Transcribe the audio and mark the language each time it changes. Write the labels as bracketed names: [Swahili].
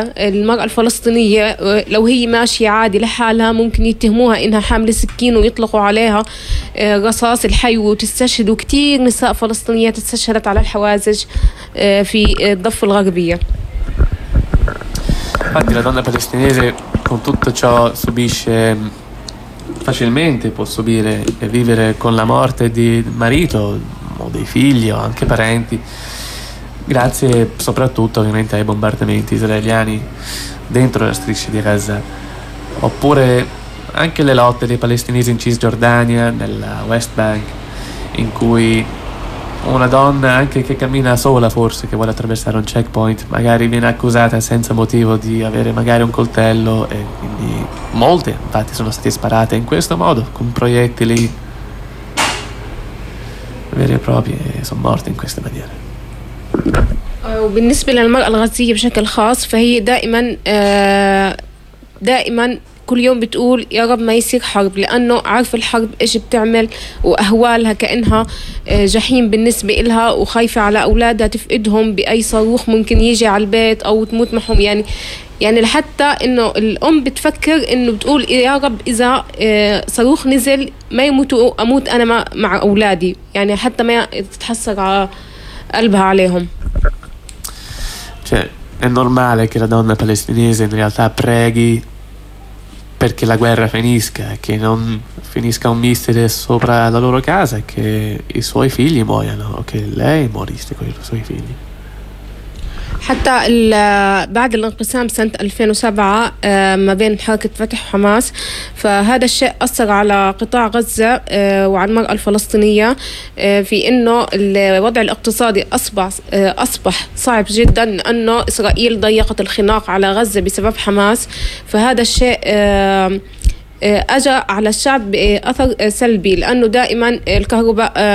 [Arabic] المرأة الفلسطينية لو هي ماشية عادي لحالها ممكن يتهموها إنها حاملة سكين ويطلقوا عليها رصاص الحي وتستشهد، وكتير نساء فلسطينيات استشهدت على الحواجز في الضفة الغربية. [Italian] Infatti la donna palestinese con tutto ciò subisce facilmente, può subire e vivere con la morte di marito o dei figli o anche parenti, grazie soprattutto ovviamente ai bombardamenti israeliani dentro la striscia di Gaza, oppure anche le lotte dei palestinesi in Cisgiordania, nella West Bank, in cui una donna anche che cammina sola, forse, che vuole attraversare un checkpoint, magari viene accusata senza motivo di avere magari un coltello, e quindi molte infatti sono state sparate in questo modo, con proiettili veri e propri, e sono morte in questa maniera. [Arabic] بالنسبة للمرأة الغزية بشكل خاص فهي دائما كل يوم بتقول يا رب ما يصير حرب، لأنه عارف الحرب إيش بتعمل، وأهوالها كأنها جحيم بالنسبة إلها، وخايفة على أولادها تفقدهم بأي صاروخ ممكن يجي على البيت أو تموت معهم. يعني لحتى إنه الأم بتفكر إنه بتقول يا رب إذا صاروخ نزل ما يموتوا أموت أنا مع أولادي، يعني حتى ما تتحسر على قلبها عليهم. [Italian] Cioè, è normale che la donna palestinese in realtà preghi perché la guerra finisca, che non finisca un missile sopra la loro casa, che i suoi figli muoiano, che lei morisse con i suoi figli. [Arabic] حتى بعد الانقسام سنة 2007 ما بين حركة فتح وحماس، فهذا الشيء أثر على قطاع غزة وعلى المرأة الفلسطينية في أنه الوضع الاقتصادي أصبح صعب جدا، لأنه إسرائيل ضيقت الخناق على غزة بسبب حماس، فهذا الشيء أجى على الشعب بأثر سلبي، لأنه دائما الكهرباء